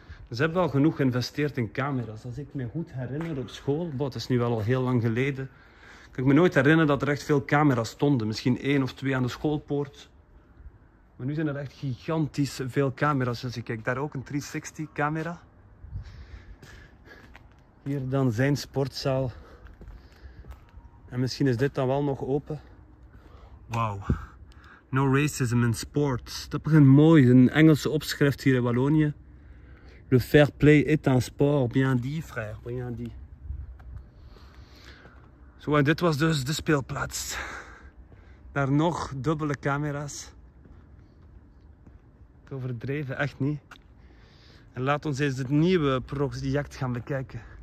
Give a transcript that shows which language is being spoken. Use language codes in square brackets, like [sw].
[nl] Ze hebben wel genoeg geïnvesteerd in camera's. Als ik me goed herinner op school, dat is nu wel al heel lang geleden, kan ik me nooit herinneren dat er echt veel camera's stonden. Misschien 1 of 2 aan de schoolpoort. Maar nu zijn er echt gigantisch veel camera's. Als je kijkt, daar ook een 360-camera. Hier dan zijn sportzaal. En misschien is dit dan wel nog open. [en] Wauw, no racism in sports. [nl] Dat begint mooi, een Engelse opschrift hier in Wallonië. [fr] Le fair play est un sport, bien dit frère, bien dit. [nl] Zo, en dit was dus de speelplaats. Daar nog dubbele camera's. Het overdreven, echt niet. En laat ons eens het nieuwe project gaan bekijken.